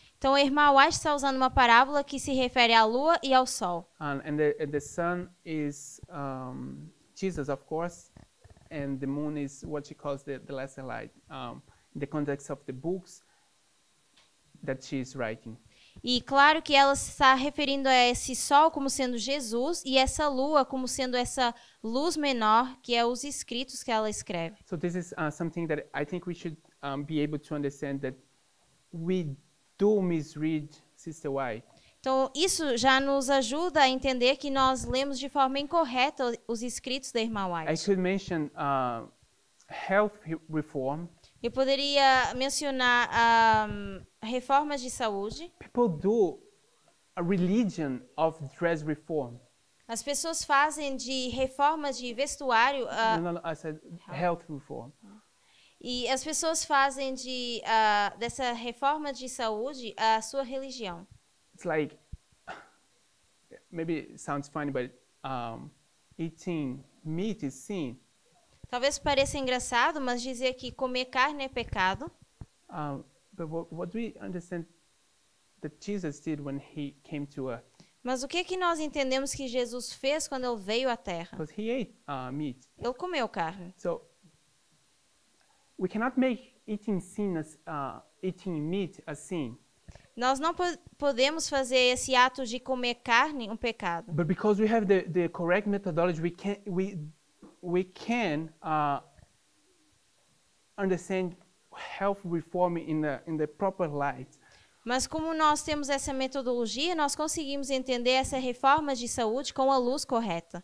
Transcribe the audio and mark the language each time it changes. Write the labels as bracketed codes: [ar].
[pt] Então, a irmã White está usando uma parábola que se refere à lua e ao sol. [en] And the sun is Jesus, of course, and the moon is what she calls the lesser light, in the context of the books that she is writing. [pt] E claro que ela está referindo a esse sol como sendo Jesus e essa lua como sendo essa luz menor que é os escritos que ela escreve. [en] So this is something that I think we should be able to understand that we do misread Sister White. [pt] Então isso já nos ajuda a entender que nós lemos de forma incorreta os escritos da irmã White. [en] I should mention health reform. [pt] Eu poderia mencionar reformas de saúde. [en] People do a religion of dress reform. [pt] As pessoas fazem de reformas de vestuário. [en] I said health reform. [pt] E as pessoas fazem de dessa reforma de saúde a sua religião. [en] It's like maybe it sounds funny, but eating meat is sin. [pt] Talvez pareça engraçado, mas dizer que comer carne é pecado. [en] But what do we understand that Jesus did when he came to earth? [pt] Mas o que que nós entendemos que Jesus fez quando ele veio à Terra? [en] Because he ate meat. [pt] Ele comeu carne. [en] So we cannot make eating sin as eating meat a sin. [pt] Nós não podemos fazer esse ato de comer carne um pecado. [en] But because we have the correct methodology, we can understand health reform in the proper light. [pt] Mas como nós temos essa metodologia, nós conseguimos entender essa reforma de saúde com a luz correta.